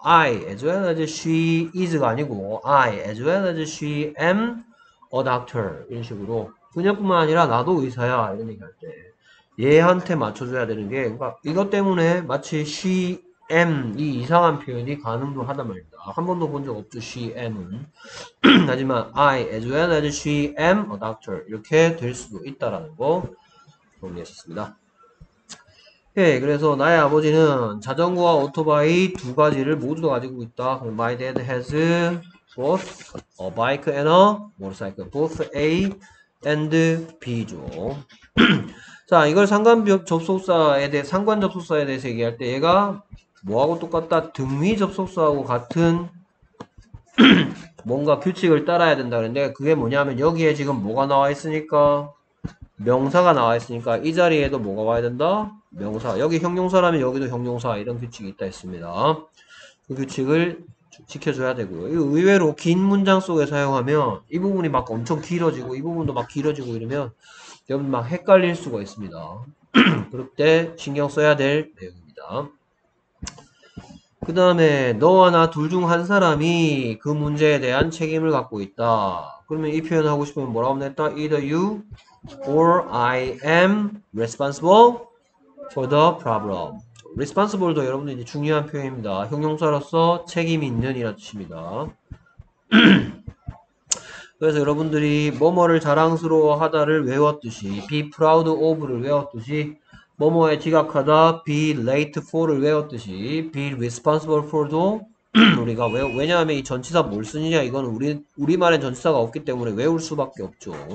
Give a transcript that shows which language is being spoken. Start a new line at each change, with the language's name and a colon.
English: I as well as she is
Korean: 가 아니고
English: I as well as she am a doctor
Korean: 이런 식으로 그녀뿐만 아니라 나도 의사야 이런 얘기할 때 얘한테 맞춰줘야 되는 게 그러니까 이것 때문에 마치 she M, 이 이상한 표현이 가능도 하단 말입니다. 한 번도 본적 없죠, she M은. 하지만,
English: I as well as she am a doctor.
Korean: 이렇게 될 수도 있다라는 거 정리했습니다. 예, 그래서 나의 아버지는 자전거와 오토바이 두 가지를 모두 가지고 있다.
English: My dad has both a bike and a motorcycle. Both A and B죠.
Korean: 자, 이걸 상관 접속사에 대해서 얘기할 때 얘가 뭐하고 똑같다? 등위 접속사하고 같은 뭔가 규칙을 따라야 된다 그랬는데 그게 뭐냐면 여기에 지금 뭐가 나와 있으니까 명사가 나와 있으니까 이 자리에도 뭐가 와야 된다? 명사. 여기 형용사라면 여기도 형용사 이런 규칙이 있다 했습니다. 그 규칙을 지켜줘야 되고요. 의외로 긴 문장 속에 사용하면 이 부분이 막 엄청 길어지고 이 부분도 막 길어지고 이러면 여러분 막 헷갈릴 수가 있습니다. 그때 신경 써야 될 내용입니다. 그 다음에 너와 나둘중한 사람이 그 문제에 대한 책임을 갖고 있다. 그러면 이 표현을 하고 싶으면 뭐라고 하면 됐다?
English: Either you or I am responsible for the problem.
Korean: Responsible도 여러분들 이제 중요한 표현입니다. 형용사로서 책임 있는 이라는 뜻입니다. 그래서 여러분들이 뭐뭐를 자랑스러워하다를 외웠듯이 be proud of를 외웠듯이 뭐뭐에 지각하다, be late for를 외웠듯이, be responsible for도 우리가 왜냐하면 이 전치사 뭘 쓰느냐, 이거는 우리말엔 전치사가 없기 때문에 외울 수밖에 없죠.